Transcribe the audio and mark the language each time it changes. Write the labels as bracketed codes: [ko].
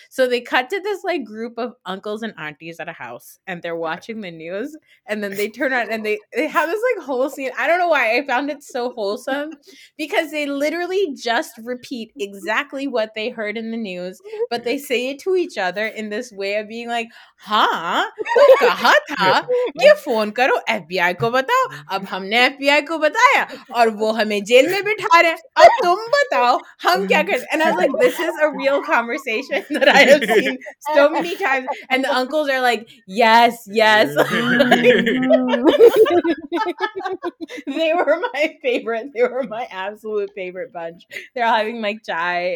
[en] So they cut to this like group of uncles and aunties at a house, and they're watching the news, and then they turn around and they have this like whole scene. I don't know why I found it so wholesome, because they literally just repeat exactly what they heard in the news, but they say it to each other in this way of being like, huh? [ur] یہ phone کرو F B آئی کو بتاؤ. اب ہم نے F B آئی کو بتایا اور وہ ہمیں جیل میں بٹھا رہے. اب تم بتاؤ ہم کیا کرتے. [en] And I'm like, this is a real conversation that I have seen so many times. And the uncles are like, yes, yes. They were my favorite. They were my absolute favorite bunch. They're all having like chai.